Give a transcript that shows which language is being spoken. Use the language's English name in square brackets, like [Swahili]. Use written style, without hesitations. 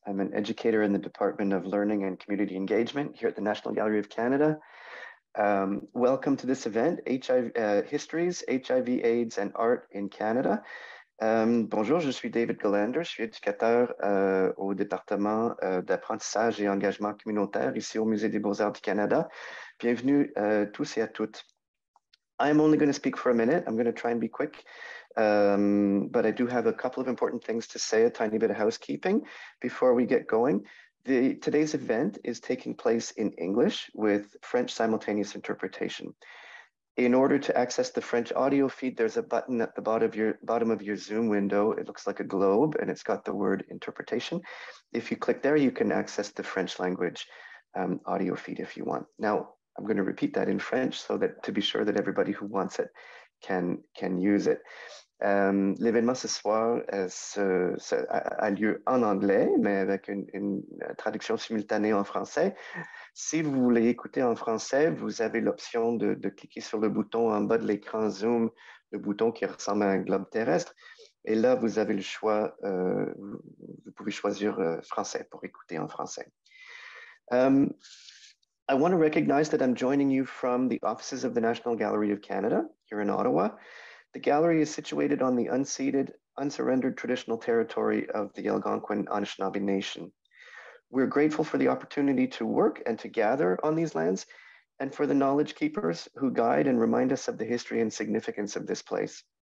[English] I'm an educator in the Department of Learning and Community Engagement here at the National Gallery of Canada. Welcome to this event, Histories, HIV, AIDS, and Art in Canada. [French] Bonjour, je suis David Galanders. Je suis éducateur au département d'apprentissage et engagement communautaire ici au Musée des Beaux-Arts du Canada. Bienvenue tous et à toutes. [English] I'm only going to speak for a minute. I'm going to try and be quick. But I do have a couple of important things to say, a tiny bit of housekeeping before we get going. Today's event is taking place in English with French simultaneous interpretation. In order to access the French audio feed, there's a button at the bottom of your Zoom window. It looks like a globe and it's got the word interpretation. If you click there, you can access the French language audio feed if you want. Now, I'm going to repeat that in French so that to be sure that everybody who wants it can use it. [French] L'événement ce soir a lieu en anglais, mais avec une traduction simultanée en français. Si vous voulez écouter en français, vous avez l'option de cliquer sur le bouton en bas de l'écran Zoom, le bouton qui ressemble à un globe terrestre. Et là, vous avez le choix, vous pouvez choisir français pour écouter en français. [English] I want to recognize that I'm joining you from the offices of the National Gallery of Canada here in Ottawa. The gallery is situated on the unceded, unsurrendered traditional territory of the Algonquin Anishinaabe Nation. We're grateful for the opportunity to work and to gather on these lands and for the knowledge keepers who guide and remind us of the history and significance of this place.